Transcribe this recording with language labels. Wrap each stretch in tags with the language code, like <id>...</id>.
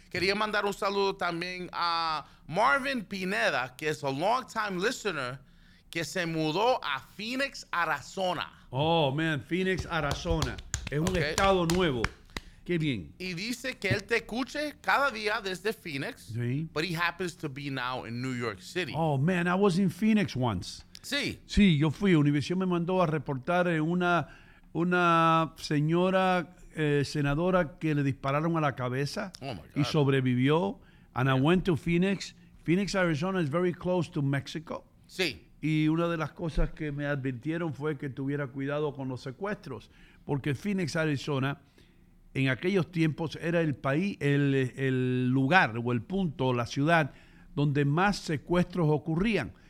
<es>Quería mandar un saludo también a Marvin Pineda, que es</es> <en>a long-time listener,</en> <es>que se mudó a Phoenix, Arizona.</es> <en>Oh, man,</en> <es>Phoenix, Arizona. Es un estado nuevo. Qué bien. Y dice que él te escuche cada día desde Phoenix, sí.</es> <en>But he happens to be now in New York City. Oh, man, I was in Phoenix once.</en> <es>Sí. Sí, yo fui. Univision me mandó a reportar una señora senadora que le dispararon a la cabeza.</es> <en>Oh, my God.</en> <es>Y sobrevivió.</es> <en>And I went to Phoenix. Phoenix, Arizona is very close to Mexico.</en> <es>Sí. Y una de las cosas que me advirtieron fue que tuviera cuidado con los secuestros, porque Phoenix, Arizona, en aquellos tiempos era el país, el lugar o el punto, la ciudad, donde más secuestros ocurrían.</es>